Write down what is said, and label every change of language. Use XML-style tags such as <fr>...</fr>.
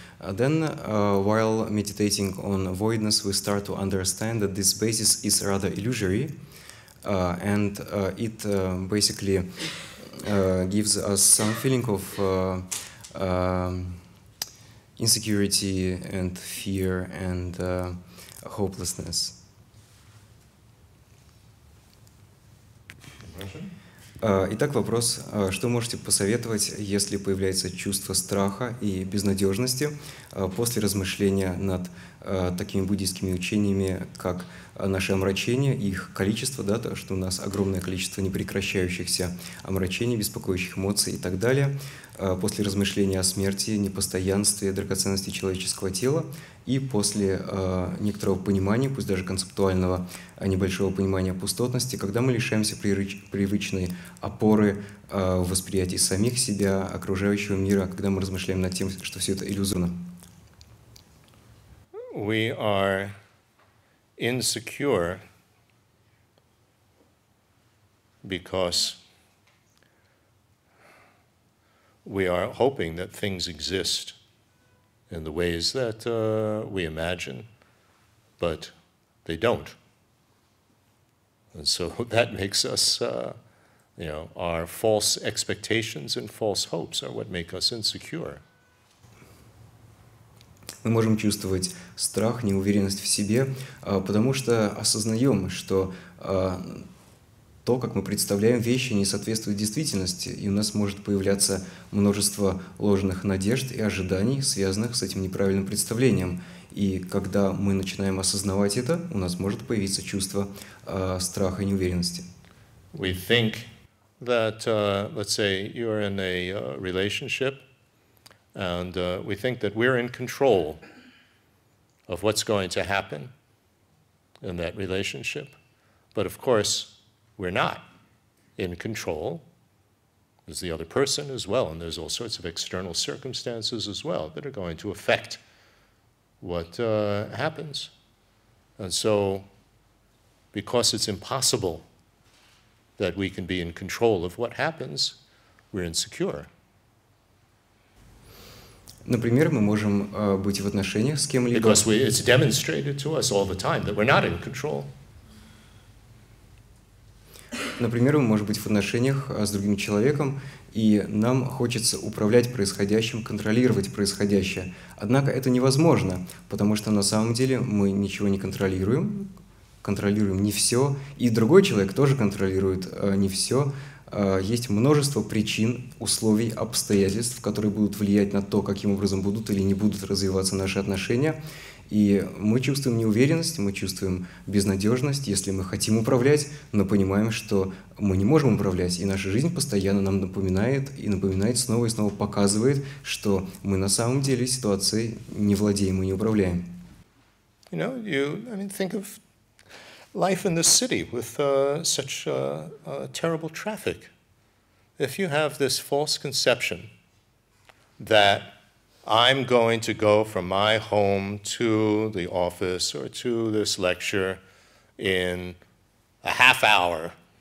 <en>Then, while meditating on voidness, we start to understand that this basis is rather illusory, and it basically gives us some feeling of insecurity and fear and hopelessness.</en> <ru>Итак, вопрос, что можете посоветовать, если появляется чувство страха и безнадежности после размышления над такими буддийскими учениями, как наши омрачения, их количество, да, то, что у нас огромное количество непрекращающихся омрачений, беспокоящих эмоций и так далее, после размышления о смерти, непостоянстве, драгоценности человеческого тела и после некоторого понимания, пусть даже концептуального, небольшого понимания пустотности, когда мы лишаемся привычной опоры в восприятии самих себя, окружающего мира, когда мы размышляем над тем, что все это иллюзорно.</ru> <en>We are insecure because we are hoping that things exist in the ways that we imagine, but they don't. And so that makes us, our false expectations and false hopes are what make us insecure.</en> <ru>Мы можем чувствовать страх, неуверенность в себе, потому что осознаем, что то, как мы представляем вещи, не соответствует действительности, и у нас может появляться множество ложных надежд и ожиданий, связанных с этим неправильным представлением. И когда мы начинаем осознавать это, у нас может появиться чувство страха и неуверенности.</ru> <en>We think that, let's say, you are in a relationship, and we think that we're in control of what's going to happen in that relationship. But of course, we're not in control. There's the other person as well, and there's all sorts of external circumstances as well that are going to affect what happens. And so, because it's impossible that we can be in control of what happens, we're insecure.</en> <ru>Например, мы можем быть в отношениях с кем-либо.</ru> <en>It's demonstrated to us all the time that we're not in control.</en> <ru>Например, мы можем быть в отношениях с другим человеком, и нам хочется управлять происходящим, контролировать происходящее. Однако это невозможно, потому что на самом деле мы ничего не контролируем, контролируем не все, и другой человек тоже контролирует не все. Есть множество причин, условий, обстоятельств, которые будут влиять на то, каким образом будут или не будут развиваться наши отношения. И мы чувствуем неуверенность, мы чувствуем безнадежность, если мы хотим управлять, но понимаем, что мы не можем управлять. И наша жизнь постоянно нам напоминает и напоминает снова и снова, показывает, что мы на самом деле ситуацией не владеем и не управляем.</ru> <en>You know, think of life in the city with such terrible traffic. If you have this false conception that I'm going to go from my home to the office or to this lecture in a half hour.</en>